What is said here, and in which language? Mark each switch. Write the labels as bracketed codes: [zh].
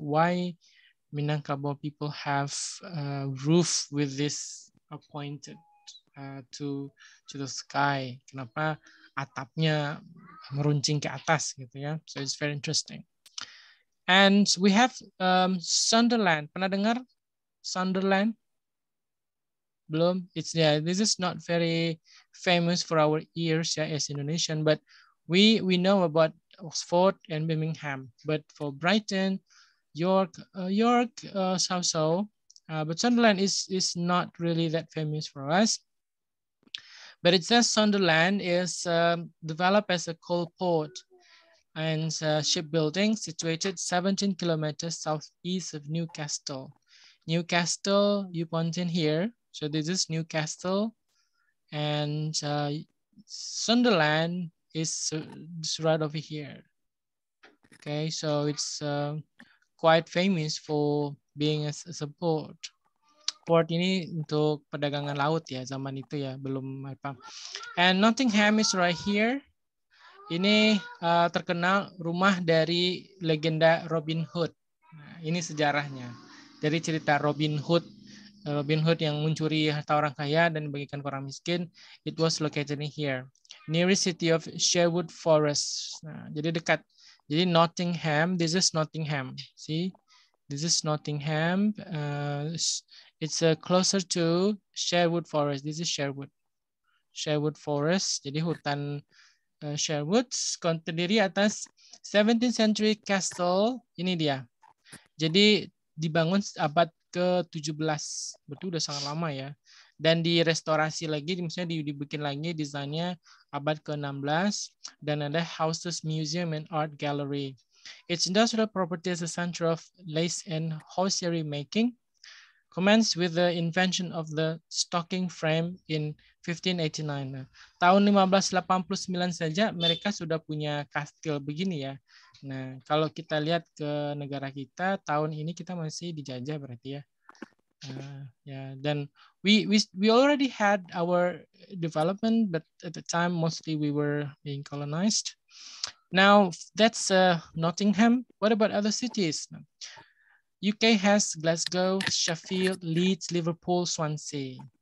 [en] Why Minangkabau people have a roof with this pointed to the sky? [id] Kenapa atapnya meruncing ke atas gitu ya? [en] So it's very interesting. And we have Sunderland. [id] Pernah dengar Sunderland? Belum. It's yeah. [en] This is not very famous for our ears, yeah, as Indonesian. But we know about Oxford and Birmingham. But for Brighton, York, so-so. But Sunderland is not really that famous for us. But it says Sunderland is developed as a coal port and shipbuilding situated 17 kilometers southeast of Newcastle. Newcastle, you point in here. So this is Newcastle, and Sunderland is right over here. Okay, so it's quite famous for being as a port. [id] Port ini untuk perdagangan laut ya, zaman itu ya, belum apa. [en] And Nottingham is right here. [id] Ini terkenal rumah dari legenda Robin Hood. Nah, ini sejarahnya dari cerita Robin Hood. Robin Hood yang mencuri harta orang kaya dan bagikan ke orang miskin, [en] it was located here, nearest city of Sherwood Forest. [id] Nah, jadi dekat. [en] Jadi Nottingham, this is Nottingham. See, this is Nottingham. It's closer to Sherwood Forest. This is Sherwood. [id] Sherwood Forest. Jadi hutan Sherwood. Terdiri atas 17th century castle. Ini dia. Jadi dibangun abad ke-17, betul, udah sangat lama ya, dan direstorasi lagi, misalnya dibikin lagi desainnya abad ke-16, dan ada [en] houses, museum, and art gallery. Its industrial property is a center of lace and hosiery making, commenced with the invention of the stocking frame in 1589. [id] Tahun 1589 saja mereka sudah punya kastil begini ya. Nah, kalau kita lihat ke negara kita, tahun ini kita masih dijajah berarti ya. [en] Yeah, then we already had our development, but at the time mostly we were being colonized. Now that's Nottingham. What about other cities? UK has Glasgow, Sheffield, Leeds, Liverpool, Swansea.